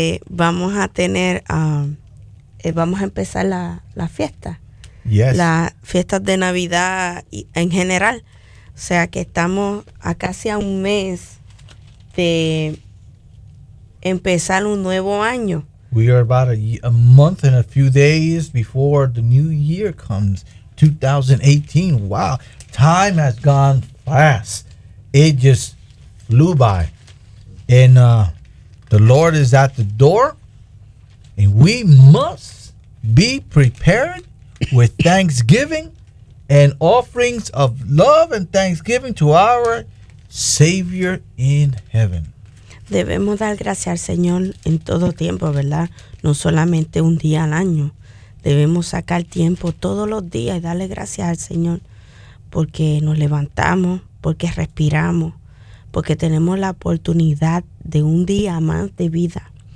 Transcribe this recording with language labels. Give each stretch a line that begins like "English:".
Spanish: Vamos a tener, vamos a empezar la fiesta.
English: Yes.
Spanish: Las fiestas de Navidad en general. O sea que estamos a casi a un mes de empezar un nuevo año.
English: We are about a month and a few days before the new year comes, 2018. Wow, time has gone fast. It just flew by. And the Lord is at the door, and we must be prepared with thanksgiving and offerings of love and thanksgiving to our Savior in heaven.
Spanish: Debemos dar gracias al Señor en todo tiempo, ¿verdad? No solamente un día al año. Debemos sacar tiempo todos los días y darle gracias al Señor porque nos levantamos, porque respiramos, porque tenemos la oportunidad de un día más de vida.